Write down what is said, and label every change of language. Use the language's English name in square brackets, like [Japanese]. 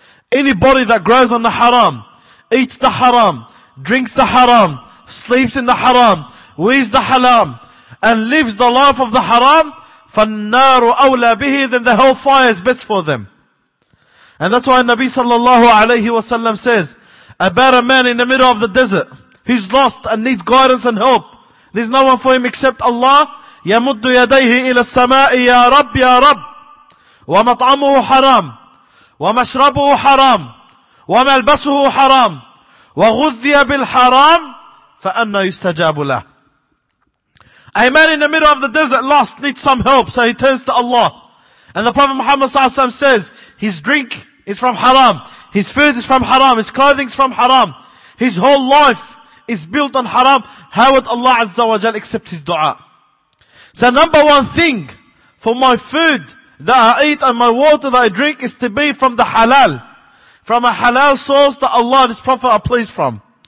[English] Anybody that grows on the haram, eats the haram, drinks the haram, sleeps in the haram, wears the haram, and lives the life of the haram, [Arabic] فَالنَّارُ أَوْلَى بِهِ, [English] then the hellfire is best for them. And that's why Nabi sallallahu alayhi wa sallam says, about a man in the middle of the desert, who's lost and needs guidance and help, there's no one for him except Allah, [Arabic] يمد يديه إلى السماء يا رب يا رب، ومطعمه حرام ومشربه حرام وملبسه حرام وغذي بالحرام فأنا يستجاب له. [English] A man in the middle of the desert lost needs some help, so he turns to Allah. And the Prophet Muhammad [Arabic] صلى الله عليه وسلم [English] says, his drink is from haram, his food is from haram, his clothing is from haram, his whole life is built on haram. How would Allah Azza wa Jal accept his dua? So number one thing for my food that I eat and my water that I drink is to be from the halal, from a halal source that Allah and His Prophet are pleased from.